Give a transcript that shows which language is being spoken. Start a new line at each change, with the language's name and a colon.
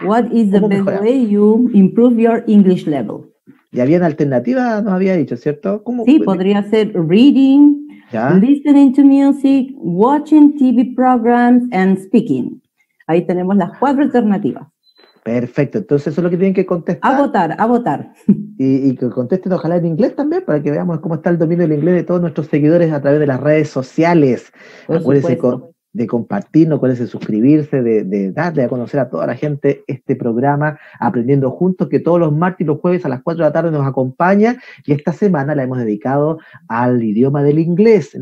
English: What is the best way you improve your English level?
Spanish: Ya había una alternativa, nos había dicho, ¿cierto? ¿Cómo? Sí, podría ser reading, ¿ya?
English: Listening to music, watching TV programs, and speaking.
Spanish: Ahí tenemos las cuatro alternativas. Perfecto, entonces eso es lo que tienen que contestar. A votar. Y que contesten ojalá en inglés también, para que veamos cómo está el dominio del inglés de todos nuestros seguidores a través de las redes sociales. De compartirnos, cuál es, de suscribirse, de darle a conocer a toda la gente este programa Aprendiendo Juntos, que todos los martes y los jueves a las 4 de la tarde nos acompaña, y esta semana la hemos dedicado al idioma del inglés.